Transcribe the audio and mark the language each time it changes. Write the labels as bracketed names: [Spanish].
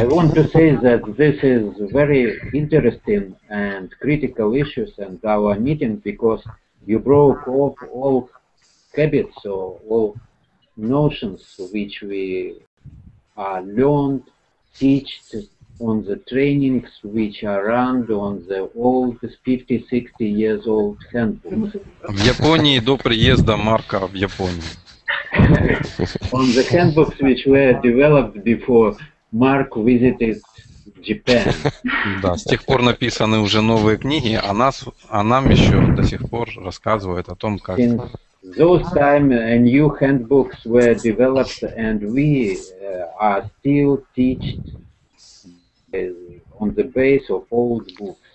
[English] I want to say that this is very interesting and critical issues and our meeting, because you broke off all habits or all notions which we learned, teach on the trainings which are run on the old 50, 60 years old handbooks. [Russian] В Японии до приезда Марка в Японию. [English] On the handbooks which were developed before Mark visited Japan. [Russian] Да, с тех пор написаны уже новые книги, а нам еще до сих пор рассказывают о том, как. [English] Those time new handbooks were developed and we are still teach on the base of old books.